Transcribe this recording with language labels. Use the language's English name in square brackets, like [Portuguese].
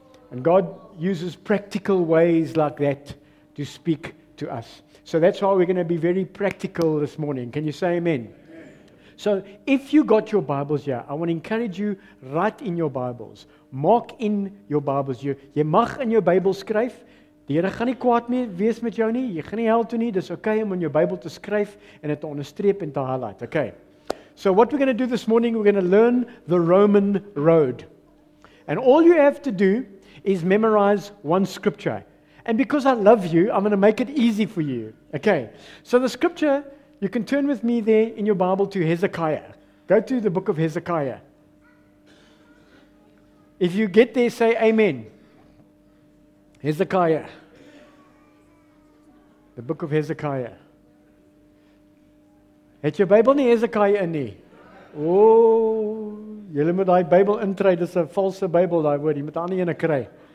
[English] And God uses practical ways like that to speak to us. So that's why we're going to be very practical this morning. Can you say amen? So if you got your Bibles here, I want to encourage you, write in your Bibles. Mark in your Bibles. You [Afrikaans] mag [English] in your Bible [Afrikaans] skryf. Die Here gaan nie kwaad mee wees met jou nie. Jy gaan nie hel toe nie. Dis okay om [English] in your Bible [Afrikaans] te skryf en het te onderstreep en te highlight. Okay. [English] So what we're going to do this morning, we're going to learn the Roman road. And all you have to do is memorize one scripture. And because I love you, I'm going to make it easy for you. Okay. So the scripture, you can turn with me there in your Bible to Hezekiah. Go to the book of Hezekiah. If you get there, say amen. Hezekiah. The book of Hezekiah. [Afrikaans] Het jou Bybel nie Hezekiah in nie? Oh, jylle moet die Bybel intree, dis 'n valse Bybel, die woord, jy moet aan die ene kry.